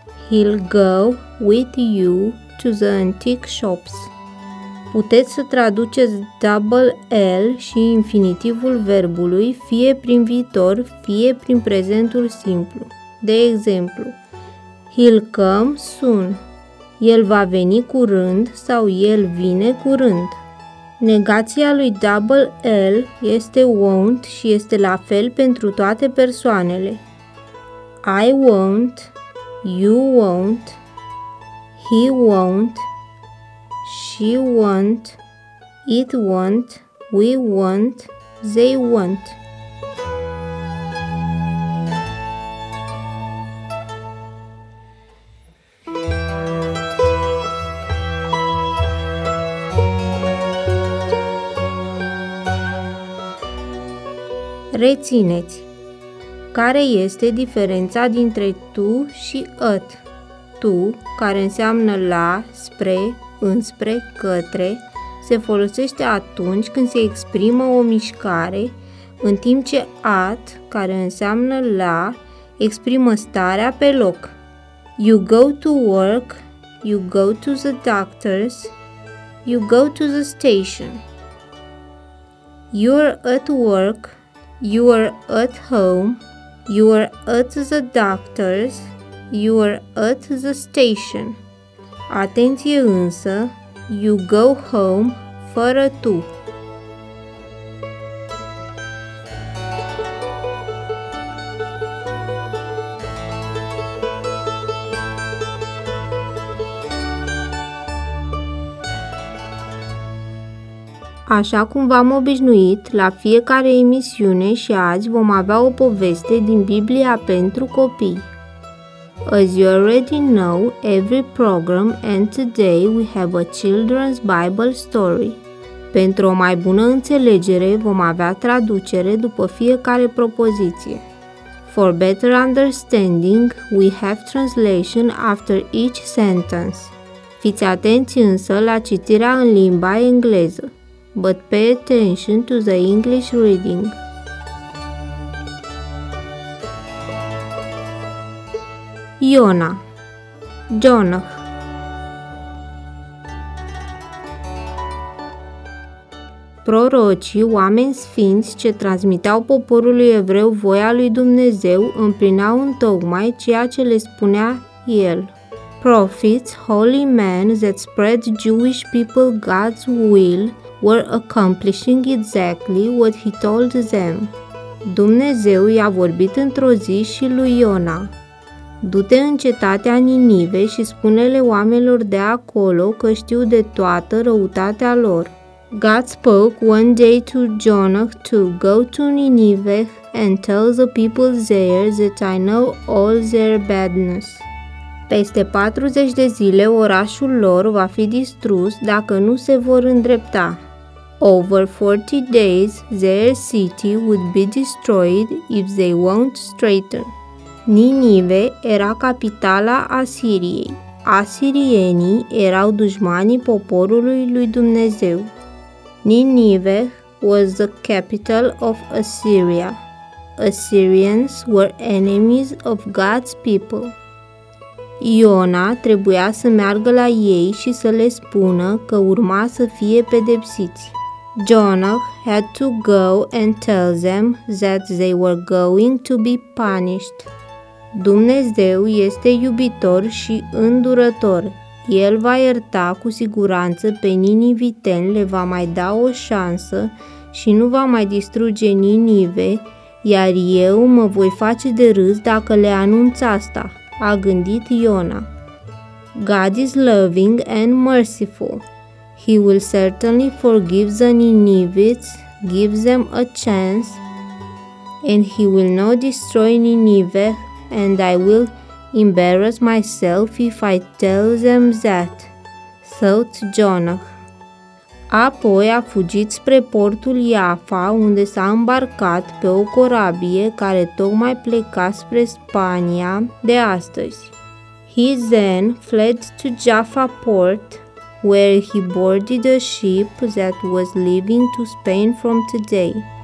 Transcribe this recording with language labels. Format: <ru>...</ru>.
<en>He'll go with you to the antique shops.</en> <ro>Puteți să traduceți double L și infinitivul verbului fie prin viitor, fie prin prezentul simplu. De exemplu:</ro> <en>he'll come soon.</en> <ro>El va veni curând sau el vine curând. Negația lui double L este won't și este la fel pentru toate persoanele.</ro> <en>I won't, you won't, he won't, she won't, it won't, we won't, they won't.</en> <ro>Rețineți! Care este diferența dintre tu și at? Tu, care înseamnă la, spre, înspre, către, se folosește atunci când se exprimă o mișcare, în timp ce at, care înseamnă la, exprimă starea pe loc.</ro> <en>You go to work, you go to the doctors, you go to the station. You're at work, you are at home, you are at the doctor's, you are at the station.</en> <ro>Atenție însă,</ro> <en>you go home</en> <ro>fără tu. Așa cum v-am obișnuit, la fiecare emisiune și azi vom avea o poveste din Biblia pentru copii.</ro> <en>As you already know, every program and today we have a children's Bible story.</en> <ro>Pentru o mai bună înțelegere, vom avea traducere după fiecare propoziție.</ro> <en>For better understanding, we have translation after each sentence.</en> <ro>Fiți atenți însă la citirea în limba engleză.</ro> <en>But pay attention to the English reading.</en> <ro>Iona, Jonah. Prorocii, oameni sfinți ce transmiteau poporului evreu voia lui Dumnezeu, împlineau întocmai ceea ce le spunea el.</ro> <en>Prophets, holy men that spread Jewish people God's will, were accomplishing exactly what he told them.</en> <ro>Dumnezeu i-a vorbit într-o zi și lui Iona: du-te în cetatea Ninive și spune-le oamenilor de acolo că știu de toată răutatea lor.</ro> <en>God spoke one day to Jonah to go to Ninive and tell the people there that I know all their badness.</en> <ro>Peste 40 de zile orașul lor va fi distrus dacă nu se vor îndrepta.</ro> <en>Over 40 days, their city would be destroyed if they won't straighten.</en> <ro>Ninive era capitala Asiriei. Asirienii erau dușmanii poporului lui Dumnezeu.</ro> <en>Ninive was the capital of Assyria. Assyrians were enemies of God's people.</en> <ro>Iona trebuia să meargă la ei și să le spună că urma să fie pedepsiți.</ro> <en>Jonah had to go and tell them that they were going to be punished.</en> <ro>Dumnezeu este iubitor și îndurător. El va ierta cu siguranță pe niniviteni, le va mai da o șansă și nu va mai distruge Ninive, iar eu mă voi face de râs dacă le anunț asta, a gândit Iona.</ro> <en>God is loving and merciful. He will certainly forgive the Ninivites, give them a chance, and he will not destroy Ninive, and I will embarrass myself if I tell them that, thought Jonah.</en> <ro>Apoi a fugit spre portul Iafa, unde s-a îmbarcat pe o corabie care tocmai pleca spre Spania de astăzi.</ro> <en>He then fled to Jaffa port, where he boarded a ship that was leaving to Spain from today.</en>